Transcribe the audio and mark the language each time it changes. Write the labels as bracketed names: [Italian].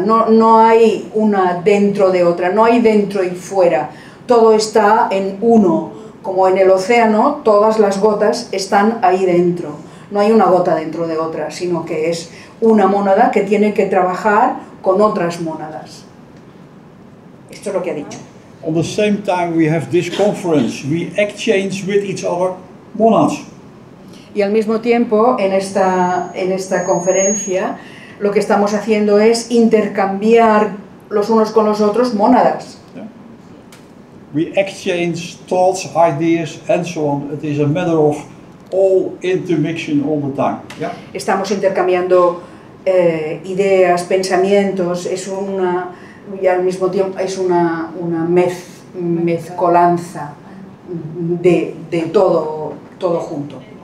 [Spanish] No hay una dentro de otra, no hay dentro y fuera. Todo está en uno. Como en el océano, todas las gotas están ahí dentro. No hay una gota dentro de otra, sino que es una mónada que tiene que trabajar con otras mónadas. Esto es lo que ha dicho. [English] on the same time we have this conference, we exchange with each other monads. [Spanish] Y al mismo tiempo, en esta conferencia, lo que estamos haciendo es intercambiar los unos con los otros monadas. [English] Yeah. We exchange thoughts, ideas, and so on. It is a matter of all intermixing all the time. Yeah. [Spanish] Estamos intercambiando ideas, pensamientos. Es una y al mismo tiempo es una mezcolanza de todo junto.